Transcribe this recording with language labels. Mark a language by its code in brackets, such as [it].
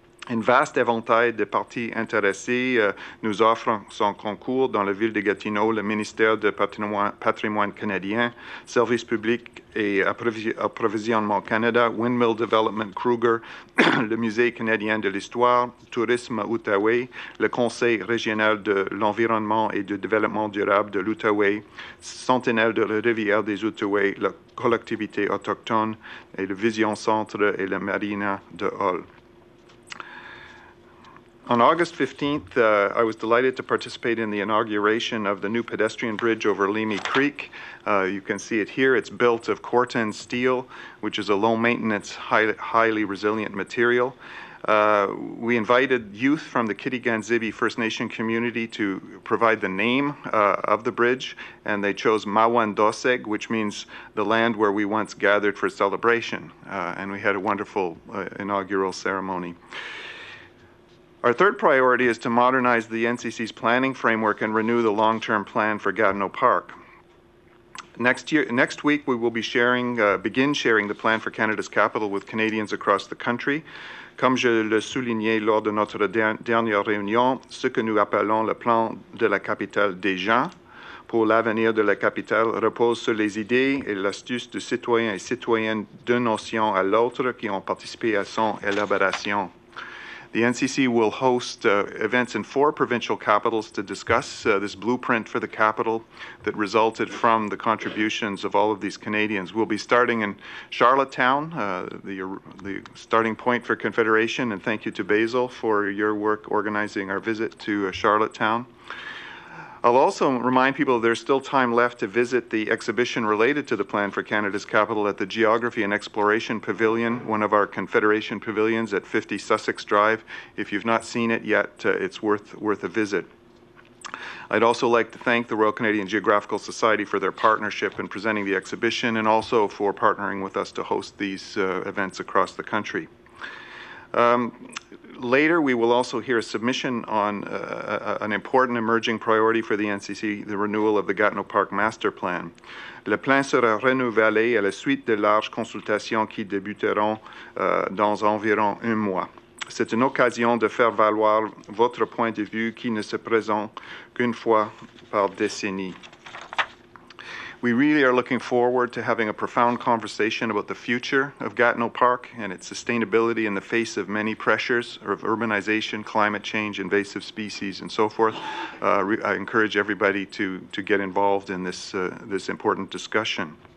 [fr] Un vaste éventail de parties intéressées nous offre son concours dans la ville de Gatineau, le ministère du patrimoine canadien, Service public et approvisionnement Canada, Windmill Development Kruger, le musée canadien de l'histoire, Tourisme Outaouais, le conseil régional de l'environnement et du développement durable de l'Outaouais, Sentinelle de la rivière des Outaouais, la collectivité autochtone et le Vision Centre et la Marina de Hull. [en] On August 15th, I was delighted to participate in the inauguration of the new pedestrian bridge over Leamy Creek. You can see it here. It's built of Corten steel, which is a low-maintenance, highly resilient material. We invited youth from the Kitiganzibi First Nation community to provide the name of the bridge, and they chose Mawandoseg, which means the land where we once gathered for celebration. And we had a wonderful inaugural ceremony. Our third priority is to modernize the NCC's planning framework and renew the long-term plan for Gatineau Park. Next week, we will be begin sharing the plan for Canada's capital with Canadians across the country. [fr] Comme je le soulignais lors de notre dernière réunion, ce que nous appelons le plan de la capitale des gens pour l'avenir de la capitale repose sur les idées et l'astuce de citoyens et citoyennes d'une nation à l'autre qui ont participé à son élaboration. [en] The NCC will host events in four provincial capitals to discuss this blueprint for the capital that resulted from the contributions of all of these Canadians. We'll be starting in Charlottetown, the starting point for Confederation, and thank you to Basil for your work organizing our visit to Charlottetown. I'll also remind people there's still time left to visit the exhibition related to the plan for Canada's capital at the Geography and Exploration Pavilion, one of our Confederation Pavilions at 50 Sussex Drive. If you've not seen it yet, it's worth a visit. I'd also like to thank the Royal Canadian Geographical Society for their partnership in presenting the exhibition and also for partnering with us to host these events across the country. Later, we will also hear a submission on an important emerging priority for the NCC, the renewal of the Gatineau Park Master Plan. [fr] Le plan sera renouvelé à la suite de larges consultations qui débuteront dans environ un mois. C'est une occasion de faire valoir votre point de vue qui ne se présente qu'une fois par décennie. [en] We really are looking forward to having a profound conversation about the future of Gatineau Park and its sustainability in the face of many pressures of urbanization, climate change, invasive species, and so forth. I encourage everybody to get involved in this important discussion.